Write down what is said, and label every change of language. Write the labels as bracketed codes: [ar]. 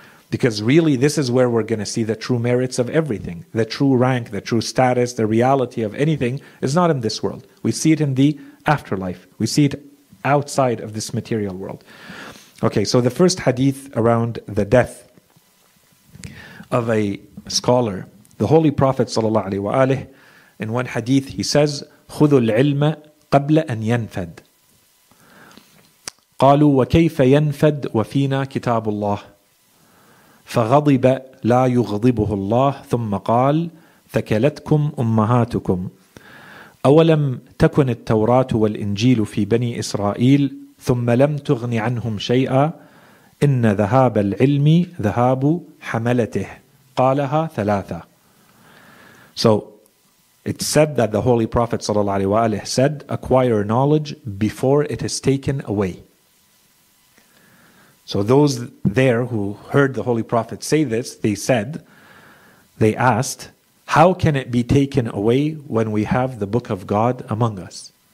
[en] Because really, this is where we're going to see the true merits of everything. The true rank, the true status, the reality of anything is not in this world. We see it in the afterlife. We see it outside of this material world. Okay, so the first hadith around the death of a scholar. The Holy Prophet sallallahu alaihi wa alihi, in one hadith, he says, [ar] خُذُ الْعِلْمَ قَبْلَ أَنْ يَنْفَدْ قالوا وكيف ينفد وفينا كتاب الله فغضب لا يغضبه الله ثم قال ثكلتكم أمهاتكم أولم تكن التوراة والإنجيل في بني إسرائيل ثم لم تغن عنهم شيئا إن ذهاب العلم ذهاب حملته قالها ثلاثة. [en] So it's said that the Holy Prophet [ar] صلى الله عليه وآله [en] said, acquire knowledge before it is taken away. So those there who heard the Holy Prophet say this, they said, they asked, how can it be taken away when we have the Book of God among us?